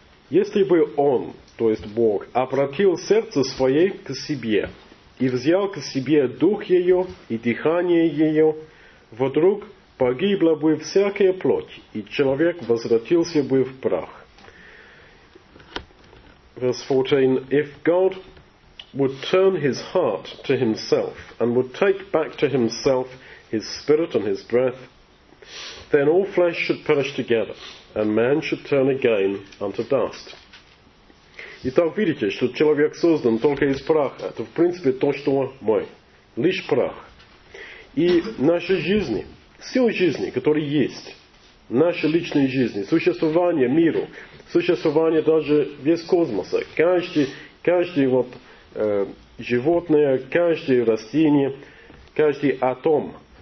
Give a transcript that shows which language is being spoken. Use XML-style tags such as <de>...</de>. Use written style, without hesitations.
<ru>«Если бы он, то есть Бог, обратил сердце свое к себе и взял к себе дух ее и дыхание ее, вдруг погибла бы всякая плоть, и человек возвратился бы в прах».</ru> <en>Verse 14, if God would turn his heart to himself and would take back to himself his spirit and his breath, then all flesh should perish together, and man should turn again unto dust.</en> <ru>Итак, видите, что человек создан только из праха. Это, в принципе, то, что мы. Лишь прах. И наши жизни, силы жизни, которые есть, наши личные жизни, существование миру, существование даже весь космоса, каждый вот, животное, каждое растение, каждый атом.</ru>